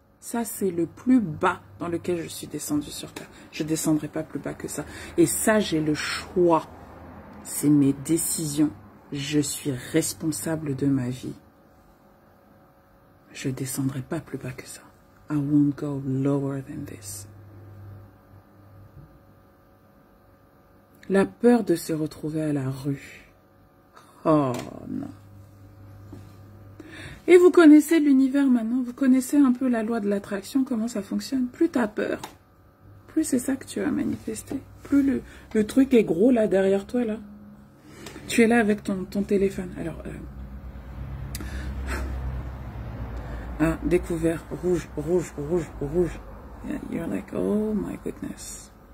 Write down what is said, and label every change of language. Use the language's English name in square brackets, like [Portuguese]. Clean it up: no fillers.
[French] Ça, c'est le plus bas dans lequel je suis descendue sur Terre. Je ne descendrai pas plus bas que ça. Et ça, j'ai le choix. C'est mes décisions. Je suis responsable de ma vie. Je ne descendrai pas plus bas que ça. [English] I won't go lower than this. [French] La peur de se retrouver à la rue. Oh non. Et vous connaissez l'univers maintenant, vous connaissez un peu la loi de l'attraction, comment ça fonctionne. Plus t'as peur, plus c'est ça que tu vas manifester. Plus le truc est gros là derrière toi là. Tu es là avec ton téléphone. Alors, ah, découvert, rouge, rouge, rouge, rouge. [English] You're like, oh my goodness.